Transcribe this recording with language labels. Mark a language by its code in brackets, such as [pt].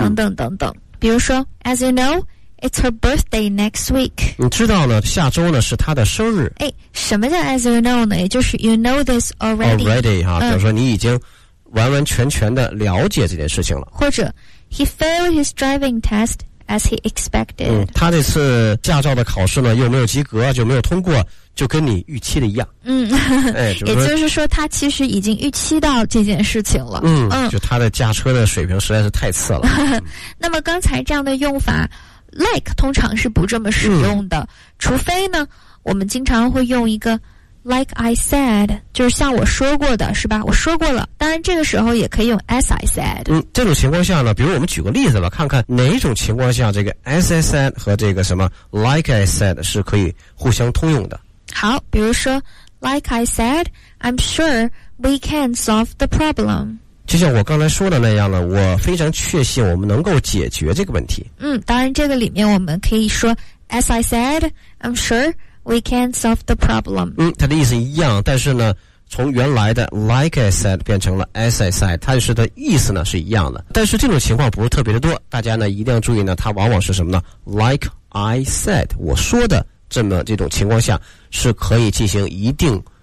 [zh] 等等等等，比如说 [en] as you know it's her birthday next week， [zh] 你知道呢下周呢是她的生日，哎，什么叫 [en] as you know [zh] 呢，也就是 [en] you know this already 哈、嗯， [zh] 比如说你已经完完全全的了解这件事情了，或者 [en] he failed his driving test as he expected、 [zh] 嗯、他这次驾照的考试呢又没有及格就没有通过，就跟你预期的一样，嗯，哎，也就是说他其实已经预期到这件事情了，嗯，就他的驾车的水平实在是太次了、嗯、那么刚才这样的用法 like 通常是不这么使用的、嗯、除非呢我们经常会用一个 [en] like I said， [zh] 就是像我说过的是吧，我说过了，当然这个时候也可以用 [en] as I said， [zh] 嗯，这种情况下呢比如我们举个例子吧，看看哪种情况下这个 [en] as I said [zh] 和这个什么 [en] like I said [zh] 是可以互相通用的。好，比如说 [en] like I said I'm sure we can solve the problem， [zh] 就像我刚才说的那样了，我非常确信我们能够解决这个问题，嗯，当然这个里面我们可以说 [en] as I said I'm sure we can solve the problem， [zh] 嗯，它的意思一样，但是呢从原来的 [en] like I said [zh] 变成了 [en] as I said， [zh] 它就是的意思呢是一样的，但是这种情况不是特别的多，大家呢一定要注意呢，它往往是什么呢， like I said 我说的，这么这种情况下是可以进行一定